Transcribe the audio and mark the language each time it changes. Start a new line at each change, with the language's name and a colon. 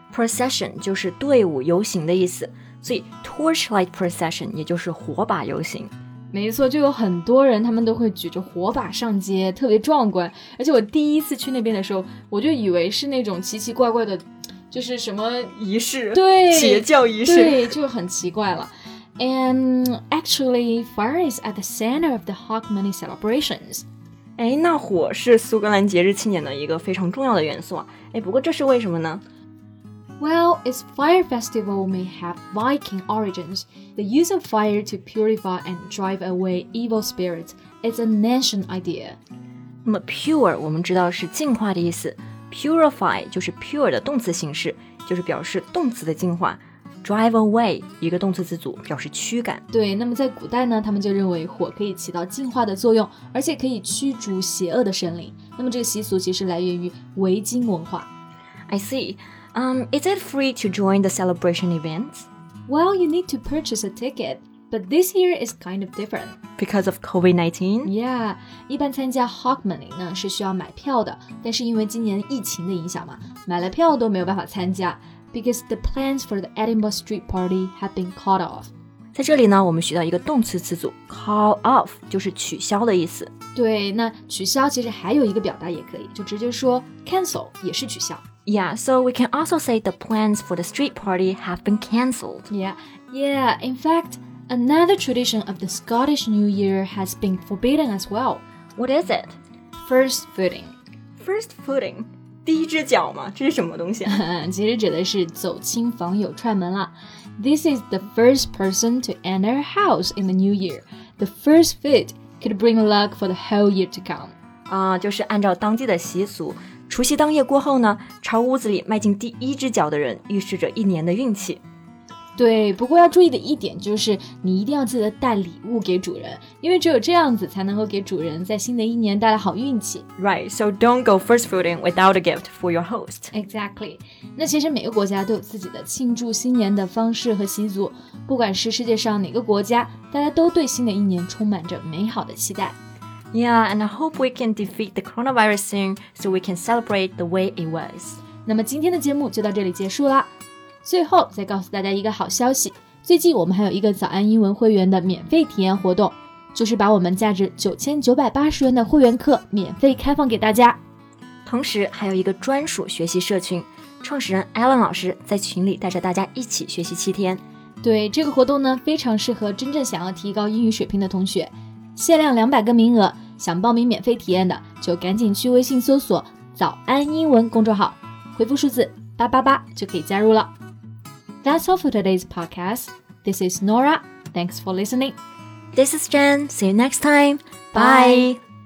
Chinese: Procession 就是队伍游行的意思，所以
English: torchlight procession
Chinese: 也就是火把游行。没错，就有很多人他们都会举着火把上街，特别壮观。而且我第一次去那边的时候，我就以为是那种奇奇怪怪的就是什么仪式，对，邪教仪式，对，就很奇怪了。
English: And actually, fire is at the center of the Hogmanay celebrations.
Chinese: 哎，那火是苏格兰节日庆典的一个非常重要的元素啊。哎，不过这是为什么呢？
English: Well, its fire festival may have Viking origins. The use of fire to purify and drive away evil spirits is an ancient idea.
Chinese: 那么 pure 我们知道是净化的意思。Purify 就是 pure 的动词形式，就是表示动词的净化。
English: Drive away
Chinese: 一个动词词组表示驱赶。对，那么在古代呢，他们就认为火可以起到净化的作用，而且可以驱逐邪恶的神灵。那么这个习俗其实来源于维京文化。
English: I see. Is it free to join the celebration events? Well, you need to purchase a ticket. But this year is kind of different. Because of COVID-19?
Chinese: Yeah, 一般参加 Hogmanay 呢是需要买票的，但是因为今年疫情的影响嘛，买了票都没有办法参加。
English: Because the plans for the Edinburgh Street Party have been called off.
Chinese: 在这里呢，我们学到一个动词词组
English: call off,
Chinese: 就是取消的意思。对，那取消其实还有一个表达也可以，就直接说 cancel, 也是取消。
English: Yeah, so we can also say the plans for the street party have been cancelled. Yeah, in fact,Another tradition of the Scottish New Year has been forbidden as well. What is it? First footing.
Chinese: First footing? 第一只脚吗？这是什么东西啊？其实指的是走亲访友串门了。
English: This is the first person to enter a house in the New Year. The first foot could bring luck for the whole year to come.
Chinese: 就是按照当地的习俗，除夕当夜过后呢，朝屋子里迈进第一只脚的人预示着一年的运气。对，不过要注意的一点就是你一定要记得带礼物给主人，因为只有这样子才能够给主人在新的一年带来好运气。
English: Right, so don't go first footing without a gift for your host. Exactly.
Chinese: 那其实每个国家都有自己的庆祝新年的方式和习俗，不管是世界上哪个国家，大家都对新的一年充满着美好的期待。
English: Yeah, and I hope we can defeat the coronavirus soon so we can celebrate the way it was.
Chinese: 那么今天的节目就到这里结束了。最后再告诉大家一个好消息，最近我们还有一个早安英文会员的免费体验活动，就是把我们价值9980元的会员课免费开放给大家。同时还有一个专属学习社群，创始人 Alan 老师在群里带着大家一起学习7天。对，这个活动呢非常适合真正想要提高英语水平的同学，限量200个名额，想报名免费体验的就赶紧去微信搜索早安英文公众号，回复数字888就可以加入了。
English: That's all for today's podcast. This is Nora. Thanks for listening. This is Jen. See you next time. Bye.